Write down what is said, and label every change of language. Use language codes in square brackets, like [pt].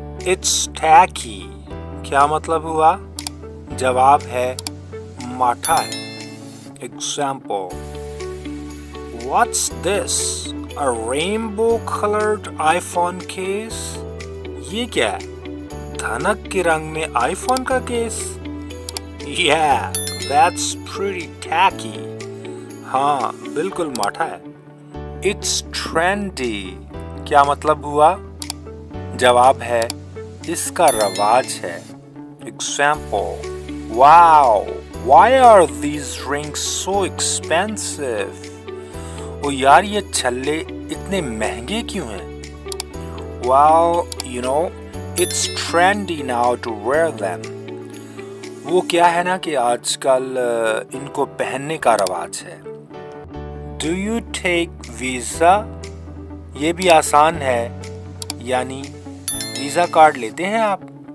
[en] It's tacky. [hi] क्या मतलब हुआ? जवाब है, माठा है. [en] Example. What's this? A rainbow-colored iPhone case? [hi] ये क्या है? धनक के रंग में iPhone का case? [en] Yeah, that's pretty tacky. [hi] हाँ, बिल्कुल माठा है. [en] It's trendy. [hi] क्या मतलब हुआ? जवाब है, इसका रवाज है. [en] Example. Wow, why are these rings so expensive? [hi] ओ यार, ये छल्ले इतने महंगे क्यों हैं? [en] Well, you know, it's trendy now to wear them. [hi] वो क्या है ना कि आजकल इनको पहनने का रवाज है. [en] Do you take visa? [hi] ये भी आसान है, यानी वीजा कार्ड लेते हैं आप?